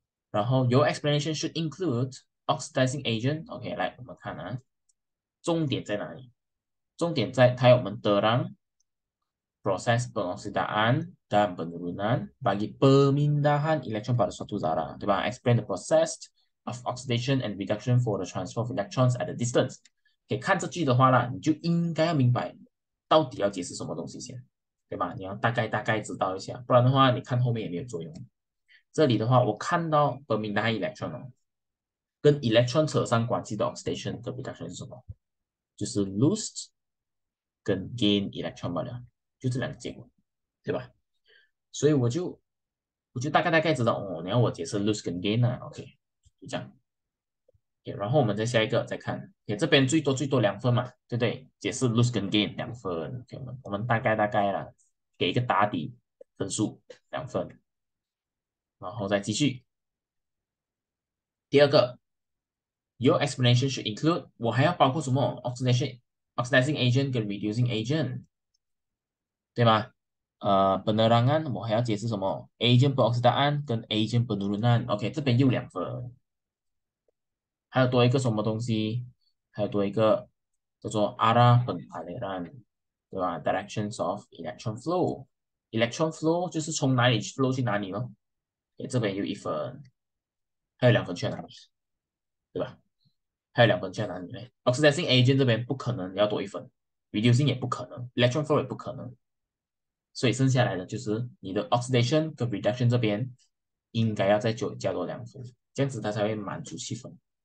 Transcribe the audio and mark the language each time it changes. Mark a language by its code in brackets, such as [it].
[en] Rahul, your explanation should include oxidizing agent. Okay, like, [zh] 我们看啊, 重点在哪里? 重点在, 它要我们 [ms] terang proses peroksidaan dan penurunan bagi pemindahan elektron pada suatu jarak. Diba? [en] Explain the process of oxidation and reduction for the transfer of electrons at a distance. [zh] 可以看这句的话啦，你就应该要明白到底要解释什么东西先，对吧？你要大概知道一下，不然的话，你看后面也没有作用。这里的话，我看到 permanent electron 哦，跟 electron 扯上关系的 oxidation 的 reduction 是什么？就是 lose 跟 gain electron 罢了，就这两个结果，对吧？所以我就大概知道哦，你要我解释 lose 跟 gain 啊，OK，就这样。 Okay, 然后我们再下一个再看，okay, 这边最多2分嘛，对不对？解释 lose 跟 gain 2分，okay, 我们大概啦，给一个打底分数2分，然后再继续。第二个， [en] Your explanation should include [zh] 我还要包括什么 [en] oxidation agent 跟 reducing agent，对吗？ [ms] penerangan [zh] 我还要解释什么 [ms] agent peroksidaan [zh] 跟 [ms] agent penurunan。 [zh] OK，这边又两分，还有多一个什么东西？还有多一个叫做 [ms] arah peraliran， [zh] 对吧？ [en] Directions of electron flow。 [zh] Electron flow 就是从哪里 flow 去哪里咯。OK，这边又一分，还有两分缺哪里？对吧？还有两分缺哪里嘞？Oxidizing agent 这边不可能要多一分，reducing 也不可能，electron flow 也不可能。所以剩下来的就是你的 oxidation 跟 reduction 这边应该要再就加多两分，这样子它才会满足七分。